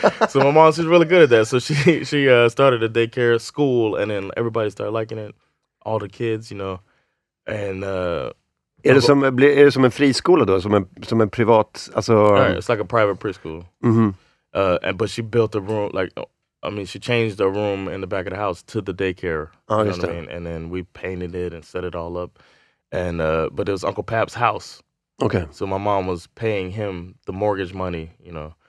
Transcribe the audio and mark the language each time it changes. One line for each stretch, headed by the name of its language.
English: so my mom, she's really good at that. So she started a daycare school, and then everybody started liking it. All the kids, you know. And
Swedish: är det som en friskola då? Som en privat, alltså...
English: Right, it's like a private preschool. Mm-hmm. But she built a room, like, I mean, she changed the room in the back of the house to the daycare. Oh, you know what I mean? And then we painted it and set it all up. And but it was Uncle Pap's house. Okay. So my mom was paying him the mortgage money, you know.